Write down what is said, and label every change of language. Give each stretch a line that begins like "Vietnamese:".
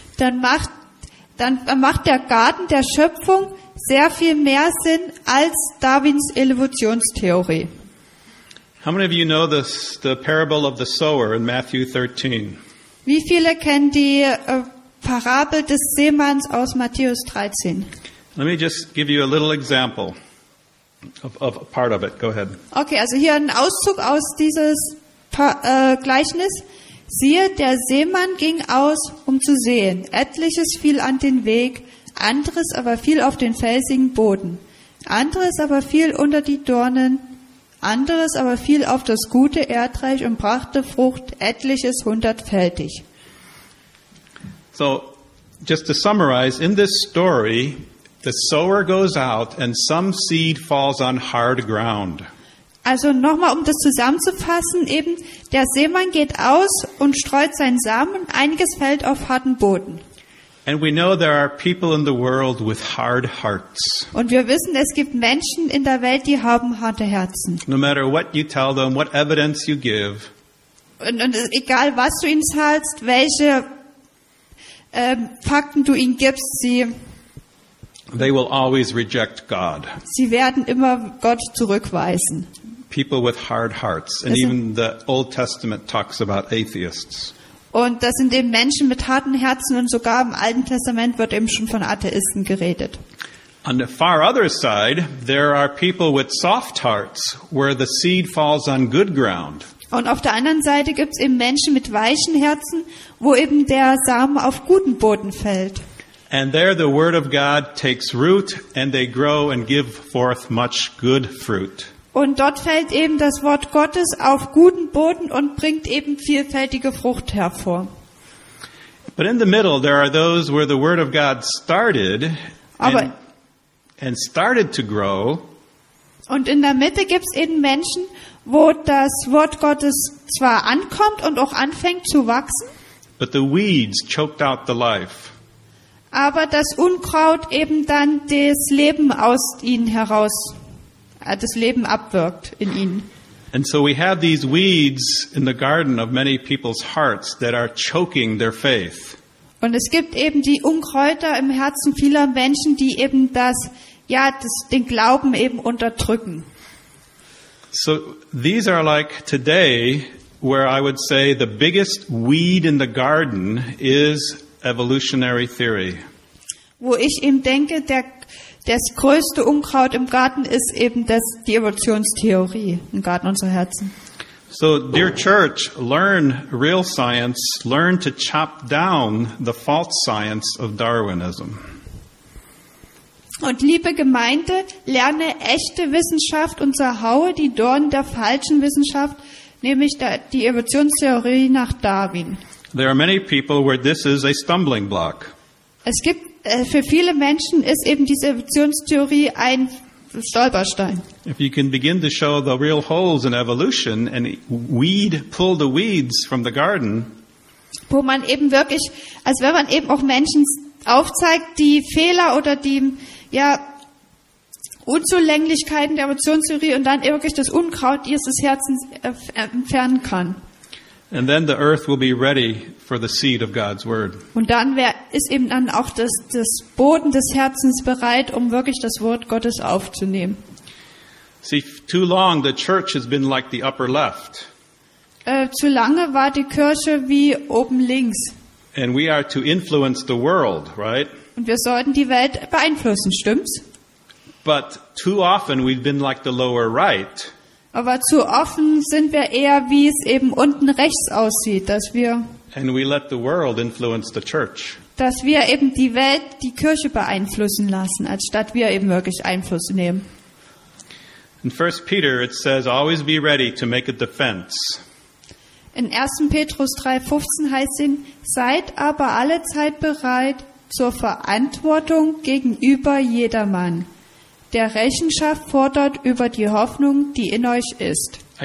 German: Dann macht der Garten der Schöpfung sehr viel mehr Sinn als Darwins Evolutionstheorie.
English: How many of you know the parable of the sower in Matthew 13?
German: Wie viele kennen die Parabel des Sämanns aus Matthäus 13?
English: Let me just give you a little example of a part of it. Go ahead.
German: Okay, also hier ein Auszug aus dieses Gleichnis. Siehe, der Sämann ging aus, um zu sehen. Etliches fiel an den Weg, anderes aber fiel auf den felsigen Boden. Anderes aber fiel unter die Dornen. Anderes aber fiel auf das gute Erdreich und brachte Frucht etliches hundertfältig.
English: So, just to summarize, in this story, the sower goes out and some seed falls on hard ground.
German: Also nochmal, um das zusammenzufassen, eben, der Sämann geht aus und streut seinen Samen, einiges fällt auf harten Boden.
English: And we know there are people in the world with hard hearts.
German: Und wir wissen, es gibt Menschen in der Welt, die haben harte Herzen.
English: No matter what you tell them, what evidence you give.
German: Und egal was du ihnen sagst, welche Fakten du ihnen gibst,
English: they will always reject God.
German: Sie werden immer Gott zurückweisen.
English: People with hard hearts, and even the Old Testament talks about atheists.
German: Und das sind eben Menschen mit harten Herzen und sogar im Alten Testament wird eben schon von Atheisten geredet.
English: On the far other side, there are people with soft hearts, where the seed falls on good ground.
German: Und auf der anderen Seite gibt's eben Menschen mit weichen Herzen, wo eben der Samen auf guten Boden fällt.
English: And there the word of God takes root and they grow and give forth much good fruit.
German: Und dort fällt eben das Wort Gottes auf guten Boden und bringt eben vielfältige Frucht hervor.
English: But in the middle there are those where the word of God started and started to grow.
German: Und in der Mitte gibt's eben Menschen, wo das Wort Gottes zwar ankommt und auch anfängt zu wachsen.
English: But the weeds choked out the life.
German: Aber das Unkraut eben dann das Leben aus ihnen heraus. Das Leben abwirkt in ihnen.
English: And so we have these weeds in the garden of many people's hearts that are choking their faith.
German: Und es gibt eben die Unkräuter im Herzen vieler Menschen, die eben den Glauben eben unterdrücken.
English: So these are like today where I would say the biggest weed in the garden is evolutionary theory.
German: Wo ich eben denke, das größte Unkraut im Garten ist eben die Evolutionstheorie im Garten unserer Herzen.
English: So, dear church, learn real science, learn to chop down the false science of Darwinism.
German: Und liebe Gemeinde, lerne echte Wissenschaft und zerhaue die Dornen der falschen Wissenschaft, nämlich die Evolutionstheorie nach Darwin.
English: There are many people where this is a stumbling block.
German: Es gibt für viele Menschen ist eben diese Evolutionstheorie ein Stolperstein.
English: If you can begin to show the real holes in evolution and weed pull the weeds from the garden.
German: Wo man eben wirklich, als wenn man eben auch Menschen aufzeigt, die Fehler oder die ja, Unzulänglichkeiten der Evolutionstheorie und dann wirklich das Unkraut ihres Herzens entfernen kann.
English: And then the earth will be ready for the seed of God's word.
German: Und dann ist eben dann auch das Boden des Herzens bereit, um wirklich das Wort Gottes aufzunehmen.
English: See, too long the church has been like the upper left.
German: Zu lange war die Kirche wie oben links.
English: And we are to influence the world, right?
German: Und wir sollten die Welt beeinflussen, stimmt's?
English: But too often we've been like the lower right.
German: Aber zu offen sind wir eher, wie es eben unten rechts aussieht, dass wir,
English: and we let the world influence the church.
German: Dass wir eben die Welt, die Kirche beeinflussen lassen, anstatt wir eben wirklich Einfluss nehmen.
English: In 1. Peter it says, always be ready to make a defense.
German: In 1. Petrus 3,15 heißt es, seid aber allezeit bereit zur Verantwortung gegenüber jedermann, der Rechenschaft fordert über die Hoffnung, die in euch ist.